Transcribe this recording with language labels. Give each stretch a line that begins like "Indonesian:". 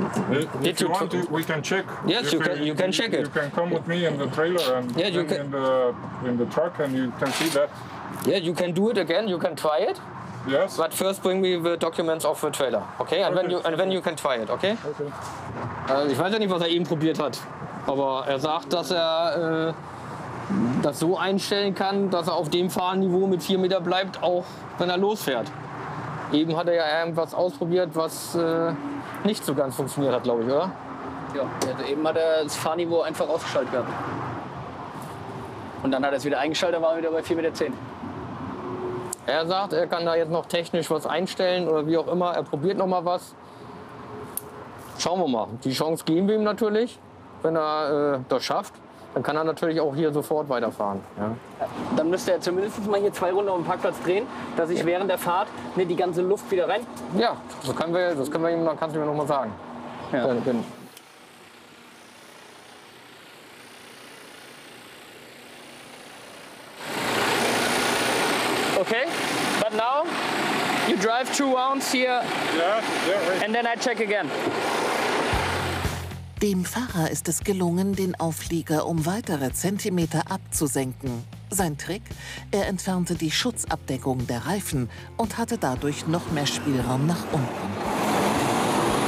English: Did if you want, we can check. Yes, if you can check it. You can come with me in the trailer and yeah, you can. In the truck and you can see that. Yeah, you can do it again, you can try it. Yes. But first bring me the documents of the trailer, okay? And okay. when you can try it, okay? Okay.
German: Ich weiß ja nicht, was er eben probiert hat. Aber er sagt, dass er das so einstellen kann, dass er auf dem Fahrniveau mit 4 Meter bleibt, auch wenn er losfährt. Eben hat er ja irgendwas ausprobiert, was nicht so ganz funktioniert hat, glaube ich, oder? Ja, eben hat er das Fahrniveau einfach ausgeschaltet gehabt. Und dann hat er es wieder eingeschaltet, dann war er wieder bei 4,10 Meter. Er sagt, er kann da jetzt noch technisch was einstellen oder wie auch immer. Er probiert noch mal was. Schauen wir mal. Die Chance geben wir ihm natürlich. Wenn er das schafft, dann kann er natürlich auch hier sofort weiterfahren. Ja. Dann müsste er zumindest mal hier zwei Runden auf dem Parkplatz drehen, dass ich während der Fahrt die ganze Luft wieder rein. Ja, das können wir ihm, dann kannst du mir nochmal sagen. Ja.
English: Okay, but now you drive two rounds here. Yeah, right. And then I check again.
German: Dem Fahrer ist es gelungen, den Auflieger um weitere Zentimeter abzusenken. Sein Trick? Er entfernte die Schutzabdeckung der Reifen und hatte dadurch noch mehr Spielraum nach unten.